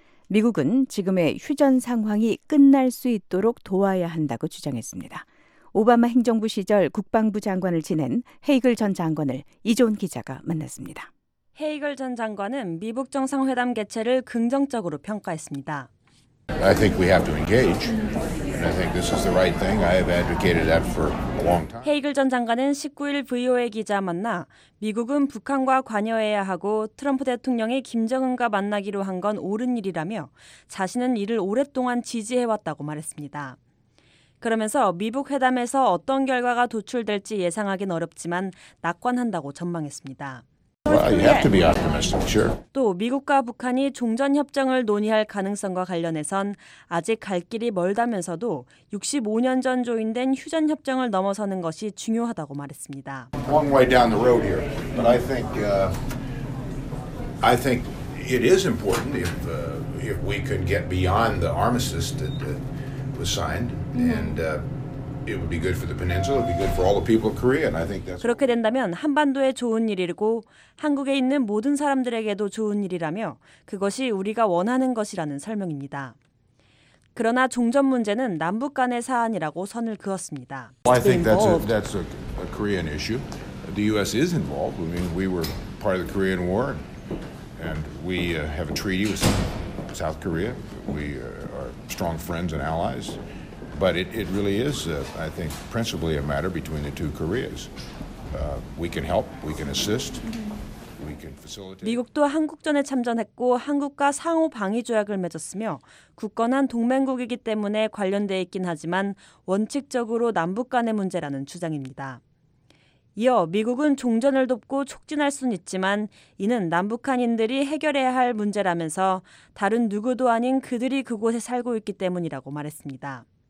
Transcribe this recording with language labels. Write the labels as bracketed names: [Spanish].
[Korean] 미국은 지금의 휴전 상황이 끝날 수 있도록 도와야 한다고 주장했습니다. 오바마 행정부 시절 국방부 장관을 지낸 헤이글 전 장관을 이종 기자가 만났습니다. 헤이글 전 장관은 미북 정상회담 개최를 긍정적으로 평가했습니다. [English] I think we have to engage. And I think this is the right thing. I have advocated that for a long time. [Korean] 헤이글 전 장관은 19일 VOA 기자 만나 미국은 북한과 관여해야 하고 트럼프 대통령이 김정은과 만나기로 한 건 옳은 일이라며 자신은 이를 오랫동안 지지해 왔다고 말했습니다. 그러면서 미북 회담에서 어떤 결과가 도출될지 예상하긴 어렵지만 낙관한다고 전망했습니다. [English] Well, you have to be optimistic, sure. [Korean] 또 미국과 북한이 종전 협정을 논의할 가능성과 관련해선 아직 갈 길이 멀다면서도 65년 전 조인된 휴전 협정을 넘어서는 것이 중요하다고 말했습니다. [English] Long way down the road here, but I think it is important if we could get beyond the armistice that was signed and. It would be good for the peninsula. It would be good for all the people of Korea, and I think that's. [Korean] 그렇게 된다면 한반도에 좋은 일이고 한국에 있는 모든 사람들에게도 좋은 일이라며 그것이 우리가 원하는 것이라는 설명입니다. 그러나 종전 문제는 남북 간의 사안이라고 선을 그었습니다. [English] Well, I think that's a Korean issue. The U.S. is involved. I mean, we were part of the Korean War, and we have a treaty with South Korea. We are strong friends and allies. But it really is, I think, principally a matter between the two Koreas. We can help, we can assist, we can facilitate. [Korean] 미국도 한국전에 참전했고 한국과 상호 방위 조약을 맺었으며 굳건한 동맹국이기 때문에 관련돼 있긴 하지만 원칙적으로 남북 간의 문제라는 주장입니다. 이어 미국은 종전을 돕고 촉진할 수는 있지만 이는 남북한인들이 해결해야 할 문제라면서 다른 누구도 아닌 그들이 그곳에 살고 있기 때문이라고 말했습니다.